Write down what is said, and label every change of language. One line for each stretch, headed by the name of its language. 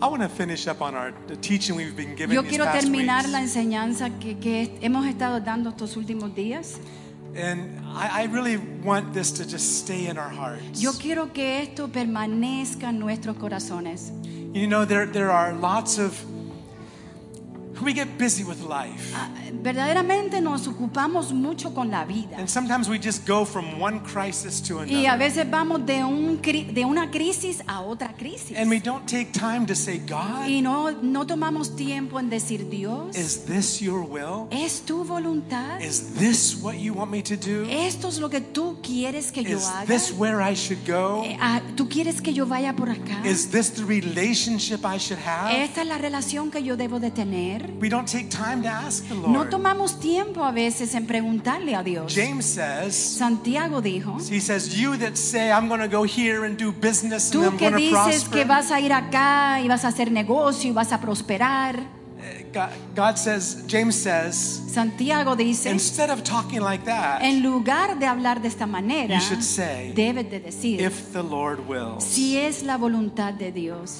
English: I want to finish up on our the teaching we've been giving
Spanish: Yo
English: these
Spanish: quiero
English: past
Spanish: terminar
English: weeks.
Spanish: La enseñanza que hemos estado dando estos últimos días.
English: And I really want this to just stay in our hearts.
Spanish: Yo quiero que esto permanezca en nuestros corazones.
English: You know, there are lots of we get busy with life.
Spanish: Verdaderamente nos ocupamos mucho con la vida.
English: And sometimes we just go from one crisis to another.
Spanish: Y a veces vamos de una crisis a otra crisis.
English: And we don't take time to say God.
Spanish: Y no tomamos tiempo en decir Dios.
English: Is this your will?
Spanish: ¿Es tu voluntad?
English: Is this what you want me to do?
Spanish: ¿Esto es lo que tú quieres que
English: Is
Spanish: yo haga?
English: Is this where I should go?
Spanish: ¿Tú quieres que yo vaya por acá?
English: Is this the relationship I should have?
Spanish: ¿Esta es la relación que yo debo de tener?
English: We don't take time to ask the Lord.
Spanish: No tomamos tiempo a veces en preguntarle a Dios.
English: James says,
Spanish: Santiago dijo,
English: he says, you that say, I'm going to go here and do business and
Spanish: tú
English: I'm going to prosper.
Spanish: Tú que dices que vas a ir acá y vas a hacer negocio y vas a prosperar.
English: God says, James says,
Spanish: Santiago dice,
English: instead of talking like that,
Spanish: en lugar de hablar de esta manera,
English: you should say,
Spanish: debes de decir,
English: if the Lord wills.
Spanish: Si es la voluntad de Dios.